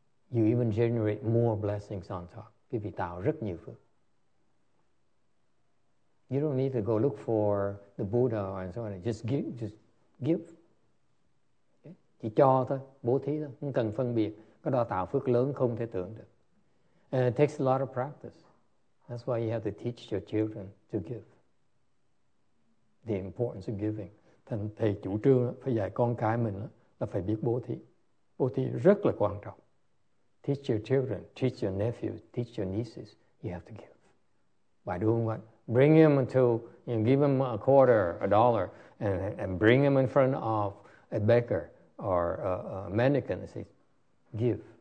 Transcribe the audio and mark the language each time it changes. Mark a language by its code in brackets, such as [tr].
[en] You even generate more blessings on top. [vi] Quý vị tạo rất nhiều phước. [en] You don't need to go look for the Buddha and so on. Just give. [vi] Chỉ cho thôi, bố thí thôi, không cần phân biệt. Cái đó tạo phước lớn không thể tưởng được. [en] And it takes a lot of practice. That's why you have to teach your children to give. The importance of giving. [vi] Thầy chủ trương phải dạy con cái mình là phải biết bố thí. Bố thí rất là quan trọng. [en] Teach your children, teach your nephews, teach your nieces, you have to give. By doing what? Bring him until, you know, give him a quarter, a dollar, and bring him in front of a beggar or a mendicant and say, give.